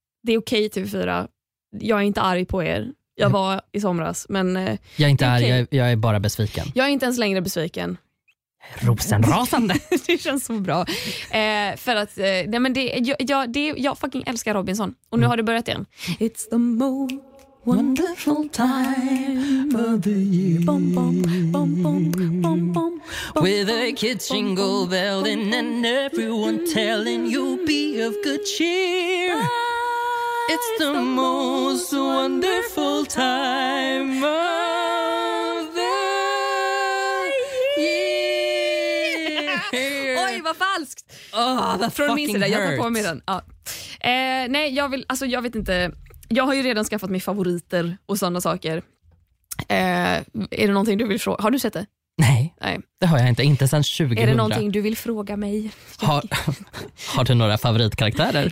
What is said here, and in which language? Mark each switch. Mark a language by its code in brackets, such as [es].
[sv] Det är okej, TV4. Jag är inte arg på er. Jag var i somras, men... Jag är inte arg, jag är bara besviken. Jag är inte ens längre besviken. Rosenrasande! Det känns så bra. För att, nej men jag fucking älskar Robinson. Och nu har det börjat igen. [en] It's the most wonderful time of the year. Bom, bom, bom, bom, bom, bom. With a kids jingle belling and everyone telling you be of good cheer. It's the most wonderful time of the year. [sv] Oj, vad falskt. Från min sida, jag tar på mig den. Nej, jag vill, alltså jag vet inte. Jag har ju redan skaffat mig favoriter och sådana saker. Är det någonting du vill fråga? Har du sett det? Nej. Nej, det har jag inte. Inte sedan 2000. Är det någonting du vill fråga mig? Har du några favoritkaraktärer?